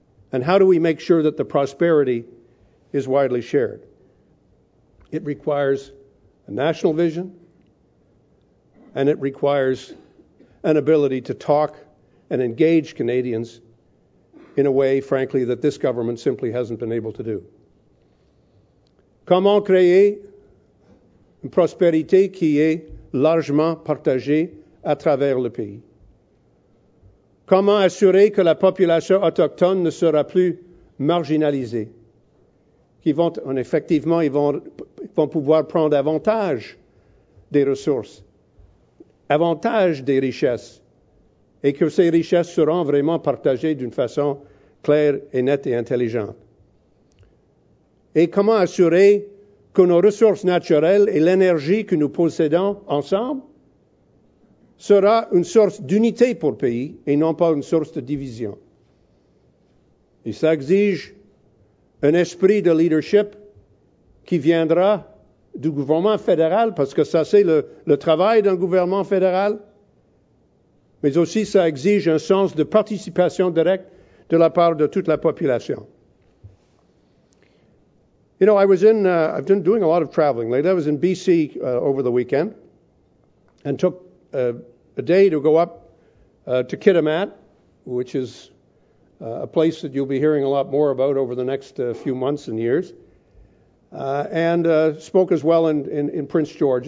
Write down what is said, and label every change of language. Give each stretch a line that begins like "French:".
English: And how do we make sure that the prosperity is widely shared? It requires a national vision, and it requires an ability to talk and engage Canadians in a way, frankly, that this government simply hasn't been able to do.
French: Comment créer une prospérité qui est largement partagée à travers le pays? Comment assurer que la population autochtone ne sera plus marginalisée? Effectivement, ils vont pouvoir prendre avantage des ressources, avantage des richesses, et que ces richesses seront vraiment partagées d'une façon claire et nette et intelligente. Et comment assurer que nos ressources naturelles et l'énergie que nous possédons ensemble sera une source d'unité pour le pays et non pas une source de division? Et ça exige un esprit de leadership qui viendra du gouvernement fédéral, parce que ça, c'est le travail d'un gouvernement fédéral. mais aussi ça exige un sens de participation directe de la part de toute la population.
English: You know, I was in, I've been doing a lot of traveling lately. I was in BC over the weekend and took a day to go up to Kitimat, which is a place that you'll be hearing a lot more about over the next few months and years, and spoke as well in Prince George.